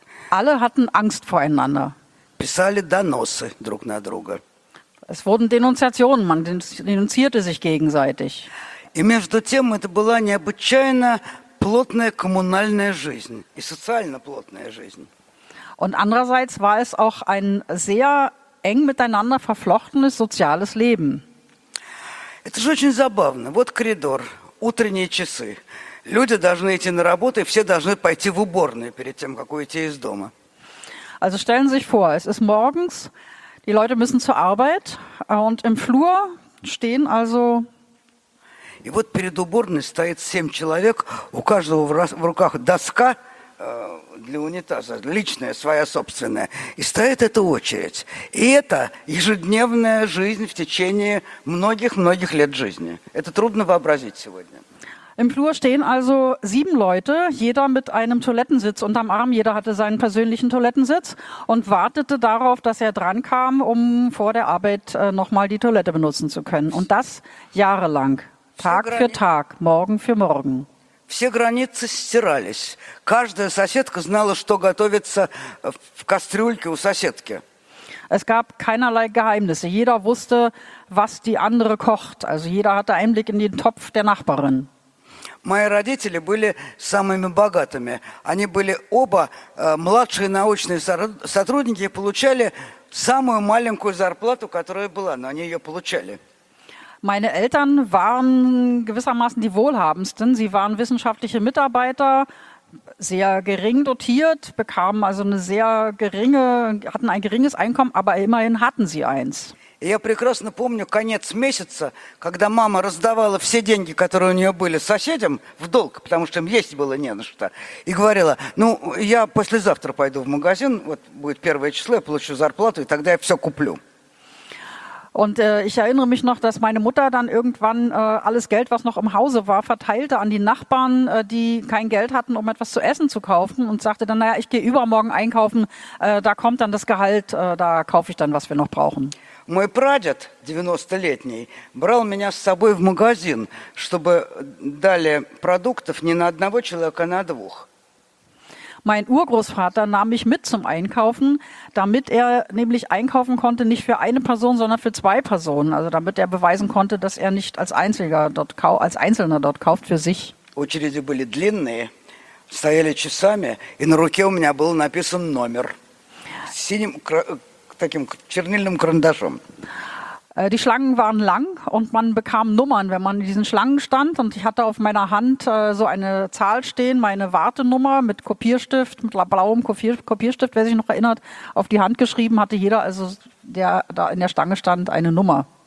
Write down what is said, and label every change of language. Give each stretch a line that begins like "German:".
German: Alle hatten Angst voreinander.
Russian: Писали доносы друг на друга.
German: Es wurden Denunziationen, man denunzierte sich gegenseitig.
Russian: И между тем это была необычайно плотная коммунальная жизнь и социально плотная жизнь.
German: Und andererseits war es auch ein sehr eng miteinander verflochtenes soziales Leben.
Russian: Это же очень забавно. Вот коридор, утренние часы. Люди должны идти на работу, и все должны пойти в уборную перед тем, как уйти из дома.
German: Also stellen Sie sich vor, es ist morgens. Die Leute müssen zur Arbeit und im Flur stehen also.
Russian: И вот перед уборной стоит 7 человек, у каждого в руках доска для унитаза, личная, своя собственная. И стоит эта очередь. И это ежедневная жизнь в течение многих-многих лет жизни. Это трудно вообразить сегодня.
German: Im Flur stehen also 7 Leute, jeder mit einem Toilettensitz unterm Arm, jeder hatte seinen persönlichen Toilettensitz und wartete darauf, dass er drankam, um vor der Arbeit nochmal die Toilette benutzen zu können. Und das jahrelang, Tag für Tag, Morgen für Morgen.
Russian: Все границы стирались. Каждая соседка знала, что готовится в кастрюльке у соседки.
German: Es gab keinerlei Geheimnisse. Jeder wusste, was die andere kocht. Also jeder hatte Einblick in den Topf der Nachbarin.
Russian: Мои родители были самыми богатыми. Они были оба младшие научные сотрудники и получали самую маленькую зарплату, которая была, но они ее получали.
German: Meine Eltern waren gewissermaßen die wohlhabendsten. Sie waren wissenschaftliche Mitarbeiter, sehr gering dotiert, bekamen also hatten ein geringes Einkommen, aber immerhin hatten sie eins.
Russian: Я прекрасно помню конец месяца, когда мама раздавала все деньги, которые у нее были, соседям в долг, потому что им есть было не на что, и говорила, ну, я послезавтра пойду в магазин, вот будет 1-е число, я получу зарплату, и тогда я все куплю.
German: Und ich erinnere mich noch, dass meine Mutter dann irgendwann alles Geld, was noch im Hause war, verteilte an die Nachbarn, die kein Geld hatten, um etwas zu essen zu kaufen und sagte dann, naja, ich gehe übermorgen einkaufen, da kommt dann das Gehalt, da kaufe ich dann, was wir noch brauchen.
Russian: Мой прадед, 90-летний, брал меня с собой в магазин, чтобы дали продуктов не на одного человека, а на двух.
German: Mein Urgroßvater nahm mich mit zum Einkaufen, damit er nämlich einkaufen konnte, nicht für eine Person, sondern für zwei Personen. Also damit er beweisen konnte, dass er nicht als Einzelner dort kauft für sich.
Russian: Очереди были длинные, стояли часами, и на руке у меня был написан номер синим таким чернильным карандашом.
German: Die Schlangen waren lang und man bekam Nummern, wenn man in diesen Schlangen stand. Und ich hatte auf meiner Hand so eine Zahl stehen, meine Wartenummer mit Kopierstift, mit blauem Kopierstift, wer sich noch erinnert, auf die Hand geschrieben, hatte jeder, also der da in der Stange stand, eine Nummer.